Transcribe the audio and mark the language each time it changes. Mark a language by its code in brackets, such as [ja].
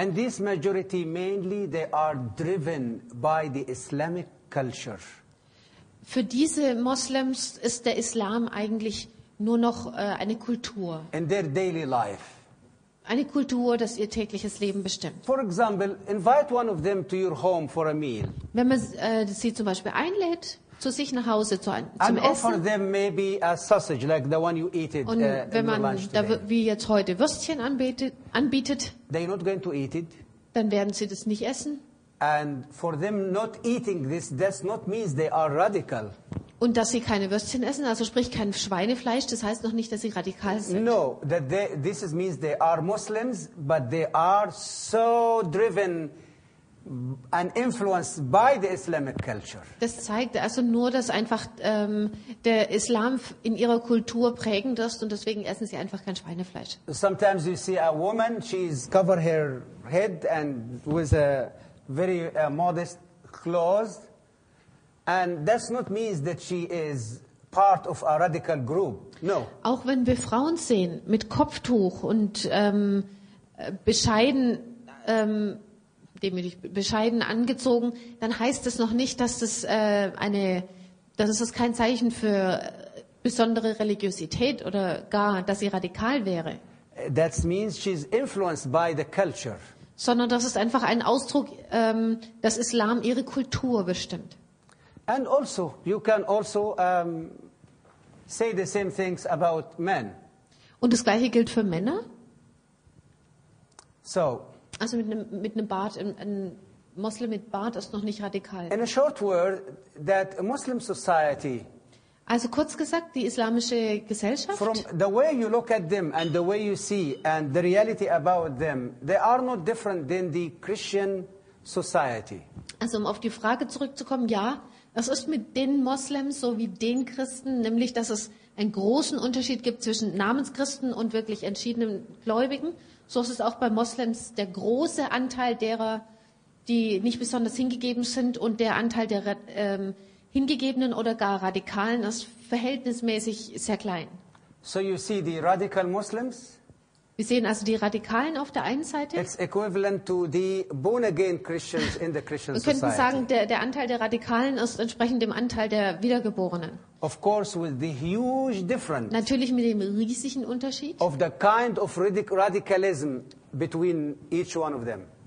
[en] And this majority mainly they are driven by the Islamic culture. [de] Für diese Moslems ist der Islam eigentlich nur noch eine Kultur. [en] In their daily life. [de] Eine Kultur, das ihr tägliches Leben bestimmt. [en] For example, invite one of them to your home for a meal. [de] Wenn man sie zum Beispiel einlädt zu sich nach Hause zum Essen. [en] Maybe a sausage, like the one you eat it, [de] und wenn man da, wie jetzt heute Würstchen anbietet, [en] they're not going to eat it. [de] Dann werden sie das nicht essen. [en] And for them not eating this does not mean they are radical. [de] Und dass sie keine Würstchen essen, also sprich kein Schweinefleisch, das heißt noch nicht, dass sie radikal sind. [en] No, that they, this is means they are Muslims, but they are so driven and influenced by the Islamic culture. [de] Das zeigt also nur, dass einfach der Islam in ihrer Kultur prägend ist und deswegen essen sie einfach kein Schweinefleisch. [en] Sometimes you see a woman, she's covered her head and with a very modest clothes. And that's not means that she is part of a radical group. No. [de] Auch wenn wir Frauen sehen mit Kopftuch und bescheiden angezogen, dann heißt das noch nicht, dass das kein Zeichen für besondere Religiosität oder gar, dass sie radikal wäre. [en] That means she's influenced by the culture. [de] Sondern das ist einfach ein Ausdruck, dass Islam ihre Kultur bestimmt. [en] And also, you can also say the same things about men. [de] Und das Gleiche gilt für Männer. [en] So. [de] Also mit einem Bart, ein Muslim mit Bart ist noch nicht radikal. [en] In a short word, that Muslim society. [de] Also kurz gesagt, die islamische Gesellschaft. [en] From the way you look at them and the way you see and the reality about them, they are not different than the Christian society. [de] Also um auf die Frage zurückzukommen, ja. Es ist mit den Moslems so wie den Christen, nämlich dass es einen großen Unterschied gibt zwischen Namenschristen und wirklich entschiedenen Gläubigen. So ist es auch bei Moslems der große Anteil derer, die nicht besonders hingegeben sind, und der Anteil der Hingegebenen oder gar Radikalen ist verhältnismäßig sehr klein. [en] So you see the radical Muslims. [de] Wir sehen also die Radikalen auf der einen Seite. [en] It's equivalent to the born again Christians in the Christian society. [de] Wir könnten sagen, der Anteil der Radikalen ist entsprechend dem Anteil der Wiedergeborenen. [en] Of course, with the huge difference. [de] Natürlich mit dem riesigen Unterschied. [en] Of the kind of radicalism between each one of them.